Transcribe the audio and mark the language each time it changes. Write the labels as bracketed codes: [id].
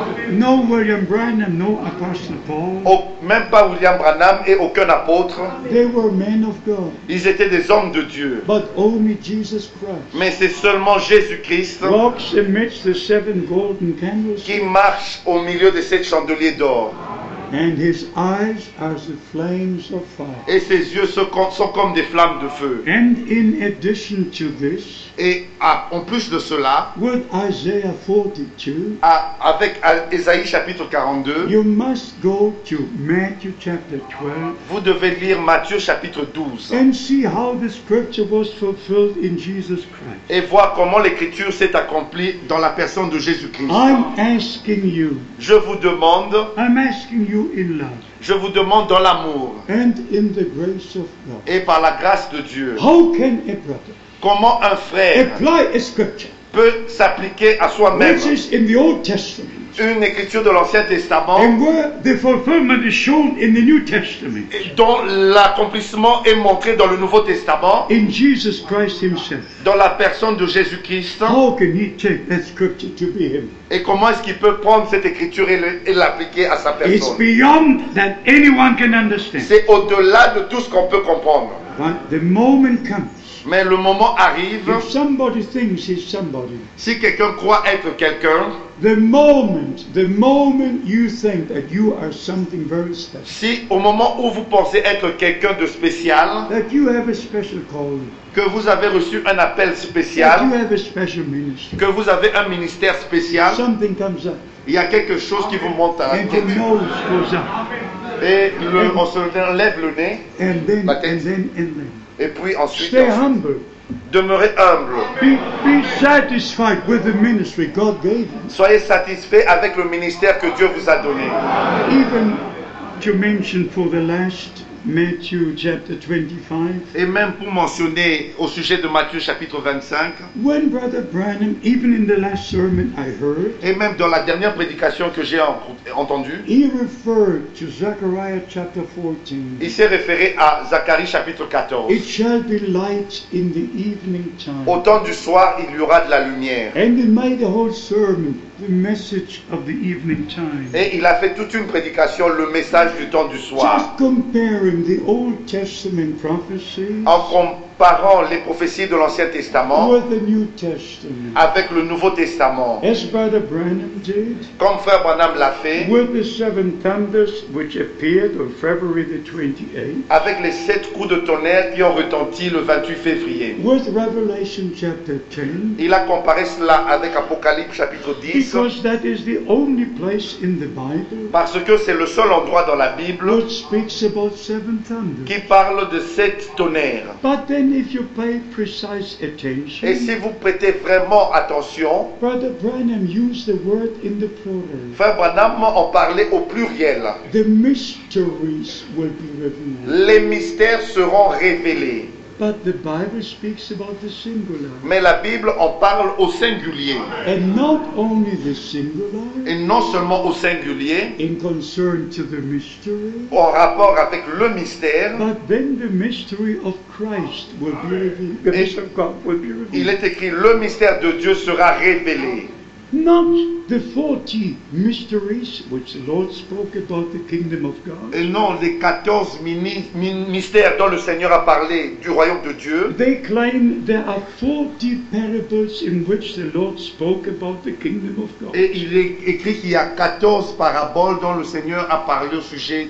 [en] No William Branham, no Apostle Paul. [fr] Oh, même pas William Branham et aucun apôtre. [en] They were men of God. [fr] Ils étaient des hommes de Dieu. [en] But only Jesus Christ. [fr] Mais c'est seulement Jésus-Christ [en] walks amidst the seven golden candles. [fr] Qui marche au milieu des sept chandeliers d'or. [en] And his eyes are the flames of fire. [fr] Et ses yeux sont comme des flammes de feu. [en] And in addition to this, [fr] et en plus de cela, [en] with Isaiah 42, [fr] avec Esaïe chapitre 42, [en] you must go to Matthew chapter 12, [fr] vous devez lire Matthieu chapitre 12, [en] and see how the scripture was fulfilled in Jesus Christ. [fr] Et voir comment l'écriture s'est accomplie dans la personne de Jésus-Christ. [en] I'm asking you, [fr] je vous demande, [en] I'm asking you in love. [fr] Je vous demande dans l'amour. [en] And in the grace of God. [fr] Et par la grâce de Dieu. [en] How can a brother, [fr] comment un frère, [en] apply a scripture, [fr] peut s'appliquer à soi-même, [en] which is in the Old Testament, [fr] une écriture de l'Ancien Testament, [en] and where the fulfillment is shown in the New Testament, [fr] dont l'accomplissement est montré dans le Nouveau Testament, [en] in Jesus Christ himself, [fr] dans la personne de Jésus-Christ. [en] How can he take that scripture to be him? [fr] Et comment est-ce qu'il peut prendre cette écriture et l'appliquer à sa personne? [en] It's beyond that anyone can understand. [fr] C'est au-delà de tout ce qu'on peut comprendre. [en] But the moment comes. [fr] Mais le moment arrive. [en] If somebody thinks he's somebody, [fr] si quelqu'un croit être quelqu'un, [en] the moment you think that you are something very special, [fr] si au moment où vous pensez être quelqu'un de spécial, [en] that you have a special calling, [fr] que vous avez reçu un appel spécial, [en] that you have a special ministry, [fr] que vous avez un ministère spécial, [en] something comes up, [fr] il y a quelque chose qui vous monte à la tête. [en] And the nose goes up. [fr] Et on se lève le nez, [en] and then, [fr] la tête. [en] And then. [fr] Et puis ensuite, [en] stay humble. [fr] Demeurez humble. [en] Be satisfied with the ministry God gave you. [fr] Soyez satisfait avec le ministère que Dieu vous a donné. [en] Even to mention for the last Matthew chapter 25. [fr] Et même pour mentionner au sujet de Matthieu chapitre 25. [en] When Brother Branham, even in the last sermon I heard. [fr] Et même dans la dernière prédication que j'ai entendue. [en] He referred to Zechariah chapter 14. [fr] Il s'est référé à Zacharie chapitre 14. [en] It shall be light in the evening time. [fr] Au temps du soir, il y aura de la lumière. [en] And he made the whole sermon the message of the evening time. [fr] Et il a fait toute une prédication, le message du temps du soir. [en] Just comparing the Old Testament prophecies, [fr] en comparant les prophéties de l'Ancien Testament, [en] with the New Testament, [fr] avec le Nouveau Testament, [en] as Brother Branham did, [fr] comme Frère Branham l'a fait, [en] with the seven thunders which appeared on February the 28th, [fr] avec les sept coups de tonnerre qui ont retenti le 28 février, [en] with Revelation chapter 10, [fr] il a comparé cela avec Apocalypse chapitre 10. [en] Because that is the only place in the Bible, [fr] parce que c'est le seul endroit dans la Bible [en] which speaks about seven thunders, [fr] qui parle de sept tonnerres. [en] But then if you pay precise attention, [fr] et si vous prêtez vraiment attention, [en] Brother Branham used the word in the plural. [fr] Frère Branham en parlait au pluriel. [en] The mysteries will be revealed. [fr] Les mystères seront révélés. [en] But the Bible speaks about the singular. [fr] Mais la Bible en parle au singulier. [en] And not only the singular. [fr] Et non seulement au singulier. [en] In concern to the mystery. [fr] En rapport avec le mystère. [en] But then the mystery of Christ will be revealed. The mystery of God will be revealed. [fr] Il est écrit, le mystère de Dieu sera révélé. [en] Not the 40 mysteries which the Lord spoke about the kingdom of God. [fr] Et non, les 14 mystères dont le Seigneur a parlé du royaume de Dieu. [en] They claim there are 40 parables in which the Lord spoke about the kingdom of God. [fr] Et il est écrit qu'il y a 14 paraboles dont le Seigneur a parlé au sujet.